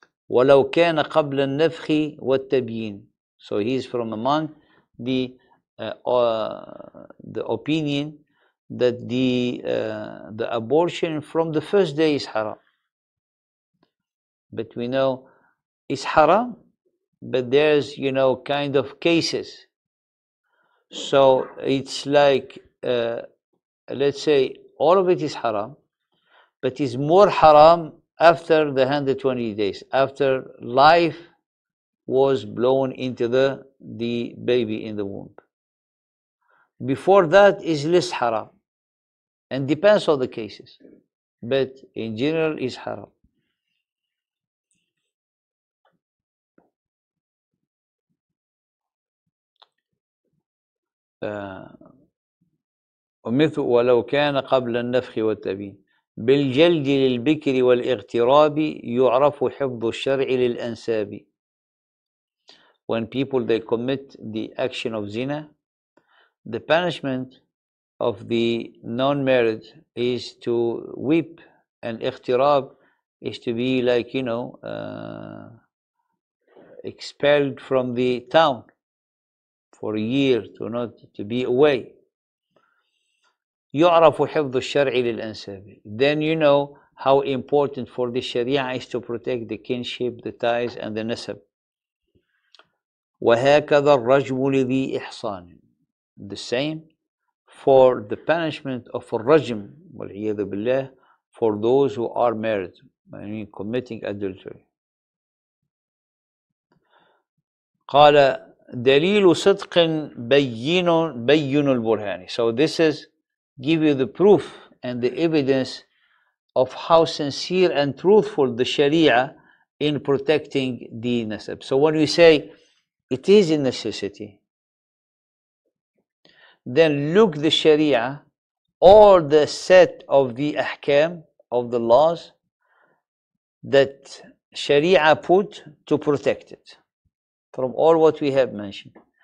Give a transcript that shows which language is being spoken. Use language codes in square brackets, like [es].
[ar] ولو كان قبل النفخ والتبيين. [en] So he's from among the opinion that the abortion from the first day is haram. But we know it's haram, but there's, you know, kind of cases. So it's like, let's say all of it is haram, but it's more haram after the 120 days, after life was blown into the baby in the womb. Before that is less haram, and depends on the cases, but in general is haram. [ar] ومثل ولو كان قبل النفخ والتبيين بالجلد للبكر والاغتراب يعرف حفظ الشرع للأنساب. [en] When people they commit the action of zina, the punishment of the non-married is to weep, and اختراب is to be like, you know, expelled from the town for a year, to not to be away. [ar] يعرف حفظ الشرع للأنساب. [en] Then you know how important for the Sharia is to protect the kinship, the ties, and the nasab. [ar] وهكذا الرجم لذي إحصان. [en] The same for the punishment of الرجم [ar] والعياذ بالله [en] for those who are married, I mean committing adultery. [ar] قال دليل صدق بين بين البرهان. [en] So this is give you the proof and the evidence of how sincere and truthful the Sharia in protecting the nasab. So when you say it is a necessity, then look the Sharia or the set of the ahkam of the laws that Sharia put to protect it from all what we have mentioned.